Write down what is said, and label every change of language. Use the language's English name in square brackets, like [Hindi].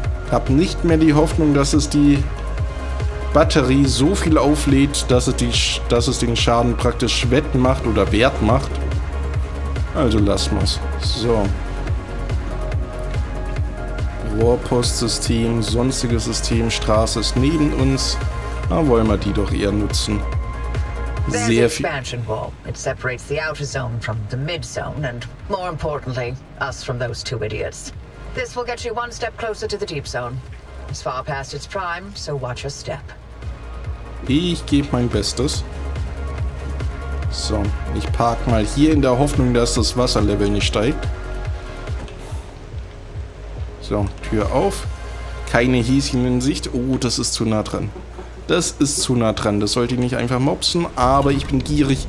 [German] Hab nicht mehr die Hoffnung, dass es die Batterie so viel auflädt, dass es den Schaden praktisch wettmacht oder wert macht. Also lassen wir's. So. Rohrpostsystem, sonstiges System, Straße ist neben uns. Da wollen wir die doch eher nutzen. Sehr viel. [English] Expansion wall. It separates the outer zone from the mid zone and more importantly us from those two idiots. This will get you one step closer to the deep zone. It's far past its prime, so watch your step. [German] Ich gebe mein Bestes. So, ich park mal hier in der Hoffnung, dass das Wasserlevel nicht steigt. So, Tür auf. Keine Häschen in Sicht. Oh, das ist zu nah dran. Das ist zu nah dran. Das sollte ich nicht einfach mopsen, aber ich bin gierig.